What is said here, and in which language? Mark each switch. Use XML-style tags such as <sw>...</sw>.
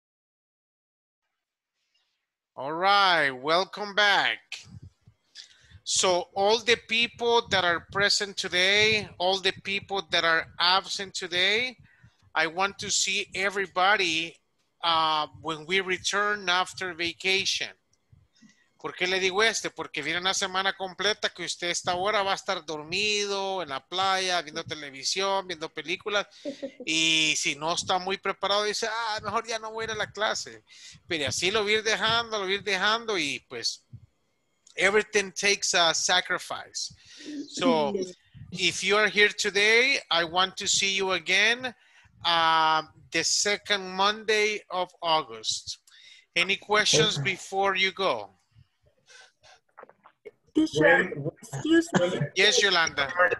<en>Okay. All right, welcome back. So all the people that are present today, all the people that are absent today, I want to see everybody when we return after vacation.</en> <es>¿Por qué le digo este? Porque viene una semana completa que usted esta hora va a estar dormido en la playa, viendo televisión, viendo películas. Y si no está muy preparado, dice, ah, mejor ya no voy a ir a la clase. Pero así lo voy a ir dejando y pues,</es> <en>everything takes a sacrifice. So, if you are here today, I want to see you again the second Monday of August. Any questions before you go? Teacher, excuse me. Yes, Yolanda.</en>